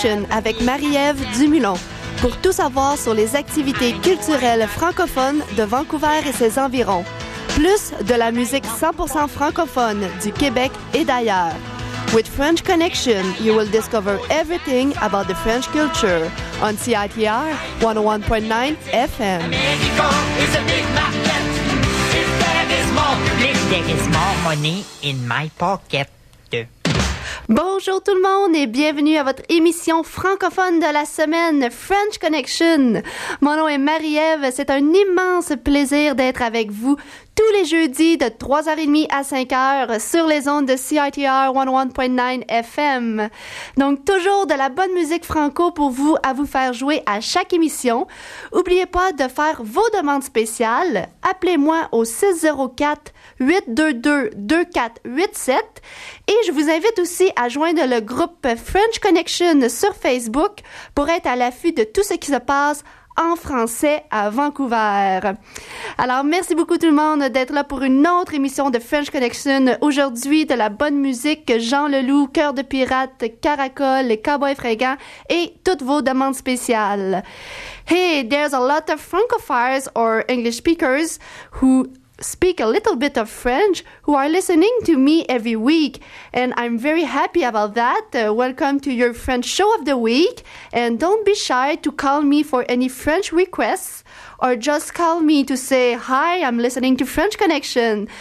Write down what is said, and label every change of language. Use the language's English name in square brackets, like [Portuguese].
[French] Avec Marie-Ève Dumoulin pour tout savoir sur les activités culturelles francophones de Vancouver et ses environs, plus de la musique 100% francophone du Québec et d'ailleurs. [English] With French Connection, you will discover everything about the French culture on CITR 101.9 FM. [French] Bonjour tout le monde et bienvenue à votre émission francophone de la semaine, French Connection. Mon nom est Marie-Ève, c'est un immense plaisir d'être avec vous tous les jeudis de 3h30 à 5h sur les ondes de CITR 101.9 FM. Donc toujours de la bonne musique franco pour vous à vous faire jouer à chaque émission. N'oubliez pas de faire vos demandes spéciales. Appelez-moi au 604-822-2487 et je vous invite aussi à joindre le groupe French Connection sur Facebook pour être à l'affût de tout ce qui se passe en français à Vancouver. Alors, merci beaucoup tout le monde d'être là pour une autre émission de French Connection. Aujourd'hui, de la bonne musique, Jean Leloup, Cœur de pirate, Caracol, Cowboy Fringant et toutes vos demandes spéciales. [English] Hey, there's a lot of francophiles or English speakers who speak a little bit of French who are listening to me every week, and I'm very happy about that. Welcome to your French show of the week, and don't be shy to call me for any French requests or just call me to say hi, I'm listening to French Connection.